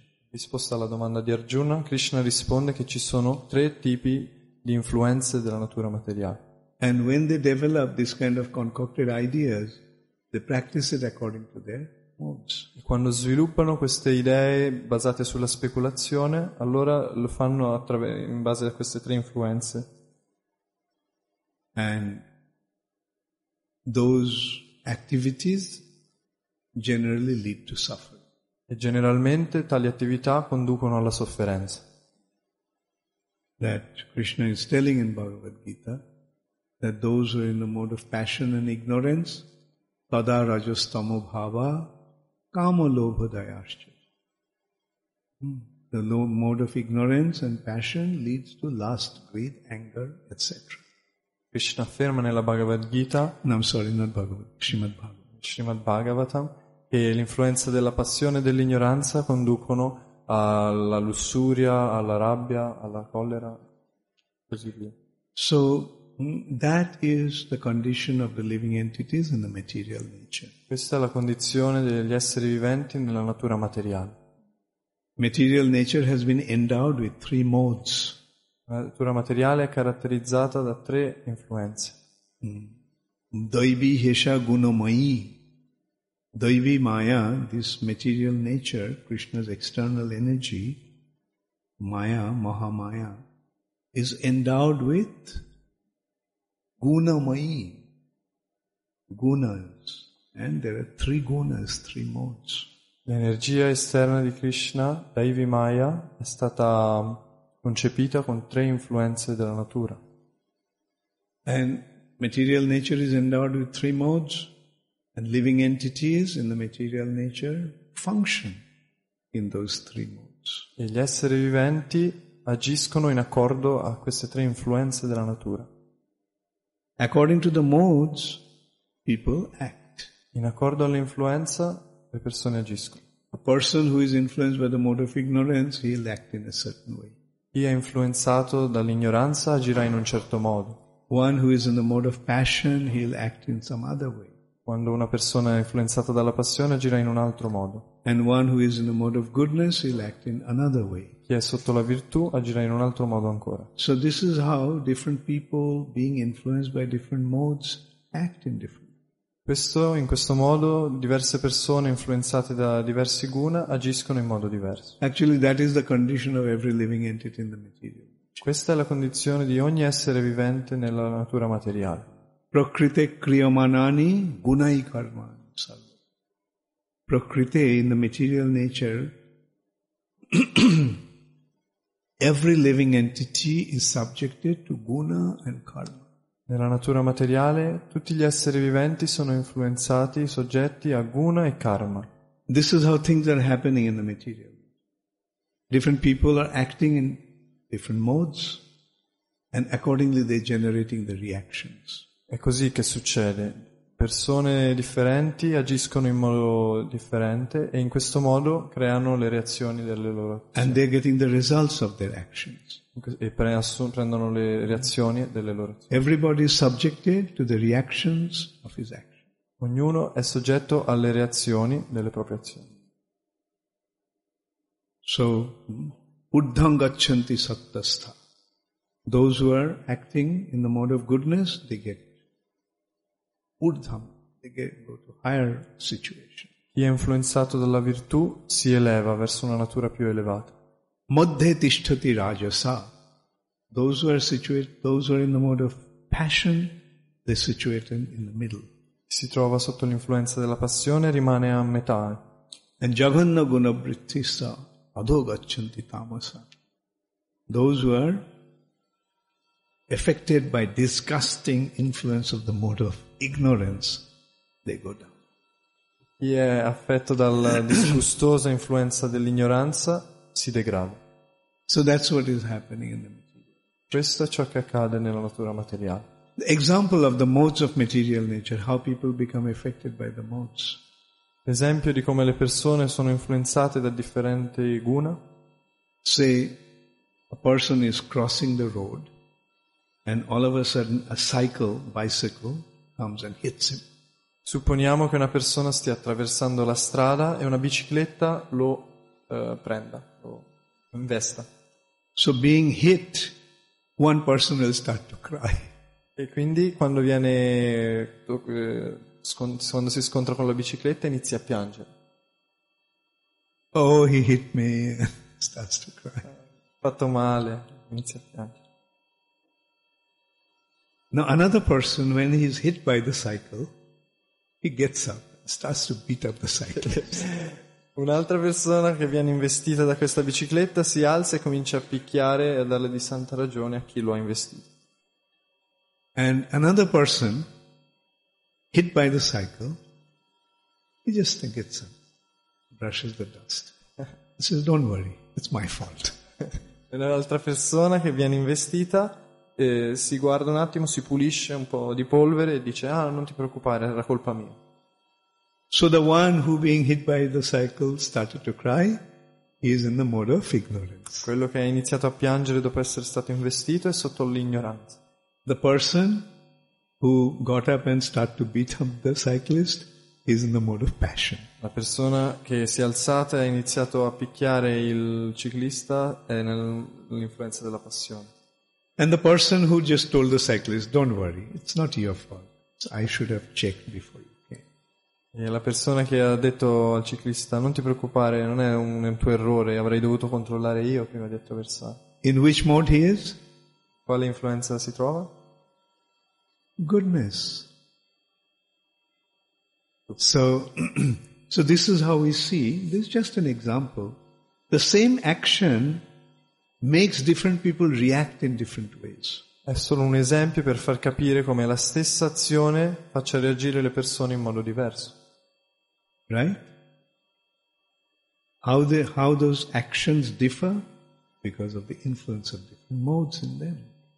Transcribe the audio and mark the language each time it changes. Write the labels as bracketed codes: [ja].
[it] Risposta alla domanda di Arjuna, Krishna risponde che ci sono tre tipi di influenze della natura materiale. [en] And when they develop this kind of concocted ideas, they practice it according to their modes. [it] E quando sviluppano queste idee basate sulla speculazione, allora lo fanno in base a queste tre influenze. [en] And those activities generally lead to suffering. [it] E generalmente tali attività conducono alla sofferenza. [en] That Krishna is telling in Bhagavad Gita that those who are in the mode of passion and ignorance, [sa] tada rajas tamo bhava kama lobha dayascha. [en] The mode of ignorance and passion leads to lust, greed, anger, etc. [it] Krishna afferma nella Bhagavad Gita, Srimad Bhagavatam, che l'influenza della passione e dell'ignoranza conducono alla lussuria, alla rabbia, alla collera, così via. [en] So that is the condition of the living entities in the material nature. [it] Questa è la condizione degli esseri viventi nella natura materiale. [en] Material nature has been endowed with three modes. [it] La natura materiale è caratterizzata da tre influenze. [sa] Daivi hesha gunamayi. [en] Daivi maya, this material nature, Krishna's external energy, maya, mahamaya, is endowed with gunamayi, gunas. And there are three gunas, three modes. [it] L'energia esterna di Krishna, Daivi maya, è stata concepita con tre influenze della natura. [en] And material nature is endowed with three modes, and living entities in the material nature function in those three modes. [it] E gli esseri viventi agiscono in accordo a queste tre influenze della natura. [en] According to the modes, people act. [it] In accordo all'influenza, le persone agiscono. [en] A person who is influenced by the mode of ignorance, he will act in a certain way. [it] Chi è influenzato dall'ignoranza agirà in un certo modo. [en] One who is in the mode of passion, he'll act in some other way. [it] Quando una persona è influenzata dalla passione agirà in un altro modo. [en] And one who is in the mode of goodness, he'll act in another way. [it] Chi è sotto la virtù agirà in un altro modo ancora. [en] So this is how different people being influenced by different modes act in different ways. [it] In questo modo diverse persone influenzate da diversi guna agiscono in modo diverso. [en] Actually that is the condition of every living entity in the material. [it] Questa è la condizione di ogni essere vivente nella natura materiale. [sa] Prakrite kriyamanani gunai karmani. [en] Prakrite, in the material nature, every living entity is subjected to guna and karma. [it] Nella natura materiale, tutti gli esseri viventi sono influenzati, soggetti a guna e karma. [en] This is how things are happening in the material. Different people are acting in different modes, and accordingly they generating the reactions. [it] È così che succede. Persone differenti agiscono in modo differente e in questo modo creano le reazioni delle loro azioni. [en] And they're getting the results of their actions. [it] E prendono le reazioni delle loro azioni. [en] Everybody is subjected to the reactions of his action. [it] Ognuno è soggetto alle reazioni delle proprie azioni. [sa] So Uddham gacchanti sattastha. [en] Those who are acting in the mode of goodness, they get Uddham. They get go to higher situation. [it] Chi è influenzato dalla virtù si eleva verso una natura più elevata. [sa] Madhe tishtati rajasa. [en] Those who are in the mode of passion, they situate in the middle. [it] Si trova sotto l'influenza della passione e rimane a metà. [sa] And jaghanna guna vrittissa. Adho gacchanti tamasa. [en] Those who are affected by disgusting influence of the mode of ignorance, they go down. [it] Chi è affetto dalla disgustosa influenza dell'ignoranza si degrada. [en] So that's what is happening in the material. [it] Questo è ciò che accade nella natura materiale. [en] The example of the modes of material nature, how people become affected by the modes. [it] Esempio di come le persone sono influenzate da differenti guna. [en] Say a person is crossing the road and all of a sudden a bicycle comes and hits him. [it] Supponiamo che una persona stia attraversando la strada e una bicicletta lo prenda, lo investa. [en] So being hit, one person will start to cry. [it] E quindi quando viene quando si scontra con la bicicletta inizia a piangere. [en] Oh, he hit me. Starts to cry. [it] Fatto male, inizia a piangere. [en] Now another person, when he is hit by the cycle, he gets up, starts to beat up the cyclist. [it] Un'altra persona che viene investita da questa bicicletta si alza e comincia a picchiare e a darle di santa ragione a chi lo ha investito. [en] And another person hit by the cycle, he just gets up, brushes the dust. He says, don't worry, it's my fault. [it] Un'altra persona che viene investita si guarda un attimo, si pulisce un po' di polvere e dice, ah, non ti preoccupare, era colpa mia. [en] So the one who being hit by the cycle started to cry, he is in the mode of ignorance. [it] Quello che ha iniziato a piangere dopo essere stato investito è sotto l'ignoranza. [en] The person who got up and started to beat up the cyclist is in the mode of passion. [it] La persona che si è alzata e ha iniziato a picchiare il ciclista è nell'influenza della passione. [en] And the person who just told the cyclist, "Don't worry, it's not your fault. I should have checked before you came." [it] E la persona che ha detto al ciclista, "Non ti preoccupare, non è un tuo errore, avrei dovuto controllare io prima di attraversare." [en] In which mode he is? [it] Quale influenza si trova? [en] Goodness. So this is how we see. This is just an example. The same action makes different people react in different ways. [it] È solo un esempio per far capire come la stessa azione faccia reagire le persone in modo diverso. [en] Right? How those actions differ because of the influence of different modes in them.